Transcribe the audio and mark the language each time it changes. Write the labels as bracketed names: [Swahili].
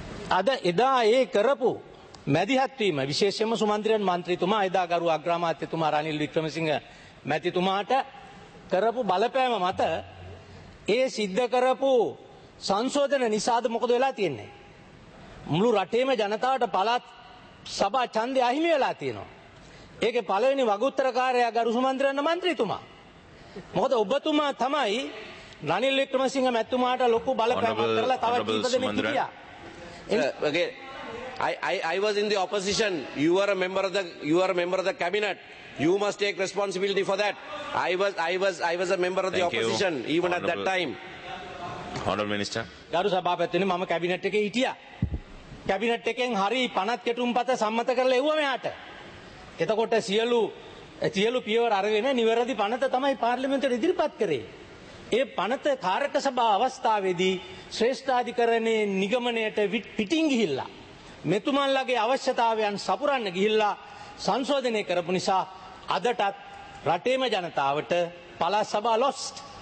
[Sinhala] අද එදා ඒ කරපු මැදිහත් වීම විශේෂයෙන්ම සුමන්ත්‍රයන් මන්ත්‍රීතුමා එදා ගරු අග්‍රාමාත්‍යතුමා රනිල් වික්‍රමසිංහ මැතිතුමාට කරපු බලපෑම මත ඒ සිද්ධ කරපු සංශෝධන නිසාද මොකද වෙලා තියෙන්නේ මුළු රටේම ජනතාවට පළාත් සභා ඡන්දය අහිමි වෙලා තියෙනවා ඒකේ පළවෙනි වගඋත්තරකාරයා ගරු සුමන්ත්‍රයන් මන්ත්‍රීතුමා. මොකද ඔබතුමා තමයි රනිල් වික්‍රමසිංහ මැතිතුමාට ලොකු බලපෑමක් කරලා තව කීප දෙනෙක් හිටියා. [English] ඒකේ I was in the opposition. You are a member of the cabinet. You must take responsibility for that. I was a member of the opposition even at that time. Honorable Minister. [Sinhala] ගරු සභාපතිනි මම cabinet එකේ හිටියා. Cabinet එකෙන් හරි පනත් කෙටුම්පත සම්මත කරලා එව්වා මෙහාට. එතකොට සියලු පියවර අරගෙන නිවැරදි පනත තමයි පාර්ලිමේන්තුවට ඉදිරිපත් කරේ. ඒ පනත කාරක සභා අවස්ථාවේදී ශ්‍රේෂ්ඨාධිකරණයේ නිගමනයට පිටින් ගිහිල්ලා මෙතුමන්ලගේ අවශ්‍යතාවයන් සපුරන්න ගිහිල්ලා සංශෝධනය කරපු නිසා අදටත් රටේම ජනතාවට පළාත් සභා ලොස්ට්.